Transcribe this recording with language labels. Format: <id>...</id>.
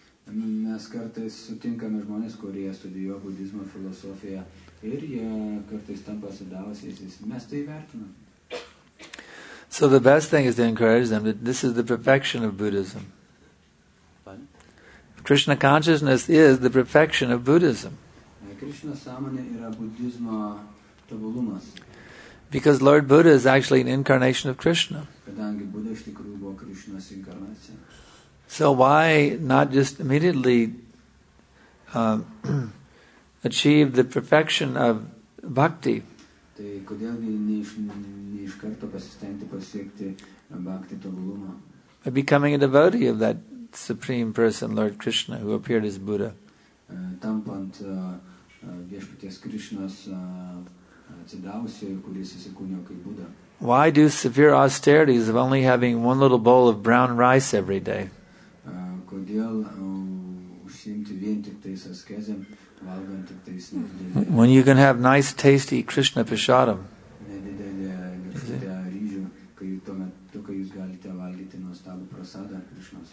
<en>So the best thing is to encourage them that this is the perfection of Buddhism. Krishna consciousness is the perfection of Buddhism.</en> <lt>Krishna samanė yra budizmo tobulumas.</lt> <en>Because Lord Buddha is actually an incarnation of Krishna.</en> <lt>Kadangi Buddha iš tikrųjų buvo Krishnos inkarnacija.</lt> <en>So why not just immediately achieve the perfection of bhakti?</en> <lt>Tai kodėl ne iš karto pasistengti pasiekti bhakti tobulumą?</lt> <en>By becoming a devotee of that Supreme Person, Lord Krishna, who appeared as Buddha.</en> <lt>Tampant Viešpaties Krishnas atsidavusiu, kuris įsikūnijo kaip Buddha.</lt> <en>Why do severe austerities of only having one little bowl of brown rice every day?</en> <lt>Kodėl užsiimti vien tik tais askezėm, valgant tik tais nedidelį?</lt> <en>When you can have nice, tasty Krishna prasadam.</en> <lt>Nedidelį garstytę ryžių, kai tuo metu, kai jūs galite valgyti nuostabų prasadą Krishnos.</lt>